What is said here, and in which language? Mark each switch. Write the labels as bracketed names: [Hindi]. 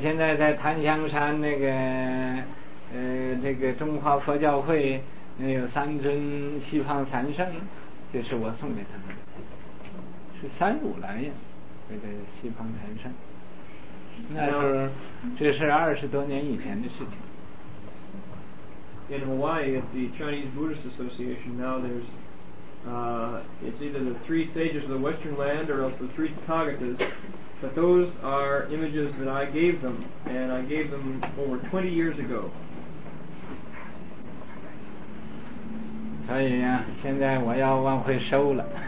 [Chinese] 现在在檀香山那个这个中华佛教会那有三尊西方三圣，这是我送给他们的，是35来呀，这个西方三圣。那时候这是二十多年以前的事情。In [English] Hawaii, at the Chinese Buddhist Association, now there'sit's either the three sages of the western land or else the three Tathagatas, but those are images that I gave them, and I gave them over 20 years ago. [Chinese] 所以啊，现在我要往回收了。